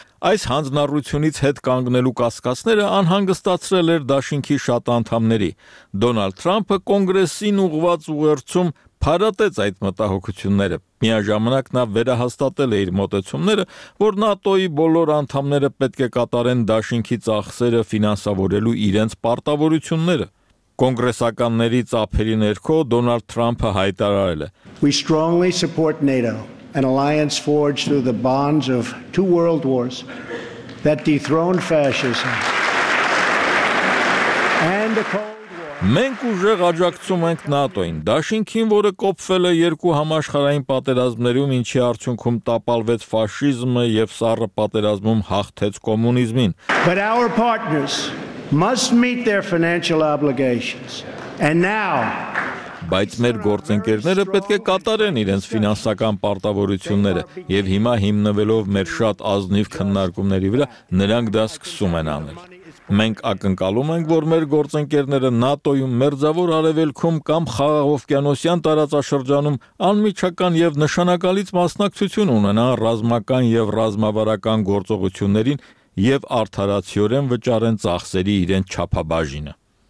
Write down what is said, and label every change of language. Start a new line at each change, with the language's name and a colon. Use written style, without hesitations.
Armenian: Այս հանձնառությունից հետ կանգնելու կասկածները անհանգստացրել էր դաշինքի շատ անդամների։ Դոնալդ Թրամփը կոնգրեսին ուղված ուղերձում փարատեց այդ մտահոգությունները։ Միաժամանակ նա վերահաստատել է իր մոտեցումները, որ ՆԱՏՕ-ի բոլոր անդամները պետք է կատարեն դաշինքի ծախսերը ֆինանսավորելու իրենց պարտավորությունները։ Կոնգրեսականների ծափերի ներքո Դոնալդ Թրամփը հայտարարել է.
English: We strongly support NATO, an alliance forged through the bonds of two world wars that dethroned fascism and the Cold War.
Armenian: Մենք ուժեղ աջակցում ենք ՆԱՏՕ-ին, դաշինքին, որը կոփվել է երկու համաշխարհային պատերազմներում, ինչի արդյունքում տապալվեց ֆաշիզմը և սառը պատերազմում հաղթեց կոմունիզմին։
English: But our partners must meet their financial obligations. And now,
Armenian: բայց մեր գործընկերները պետք է կատարեն իրենց ֆինանսական պարտավորությունները, և հիմա հիմնվելով մեր շատ ազնիվ քննարկումների վրա, նրանք դա սկսում են անել։ Մենք ակնկալում ենք, որ մեր գործընկերները ՆԱՏՕ-ում, մերձավոր արևելքում կամ խաղաղ օվկիանոսյան տարածաշրջանում անմիջական և նշանակալից մասնակցություն ունենան ռազմական և ռազմավարական գործողություններին և արդարացիորեն վճարեն ծախսերի իրենց չափաբաժինը։